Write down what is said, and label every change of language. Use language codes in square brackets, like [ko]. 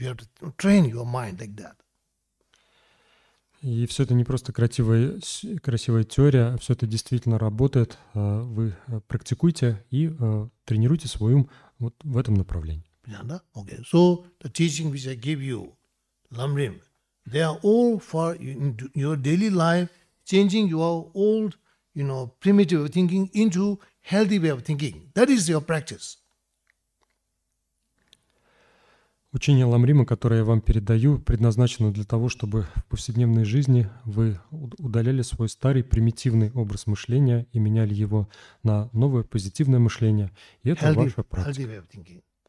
[en] You have to train your mind like that. [ru] И все это не просто красивая теория, а все это действительно работает. Вы практикуете и тренируете свой ум вот в этом направлении. Понятно, да? Okay. [en] So the teaching which I give you, Lamrim, they are all for your daily life, changing your old, you know, primitive thinking into healthy way of thinking. That is your practice. [ru] Учение Ламрима, которое я вам передаю, предназначено для того, чтобы в повседневной жизни вы удаляли свой старый примитивный образ мышления и меняли его на новое позитивное мышление. И это [en] healthy, [ru] ваша практика. [en] Healthy way of thinking.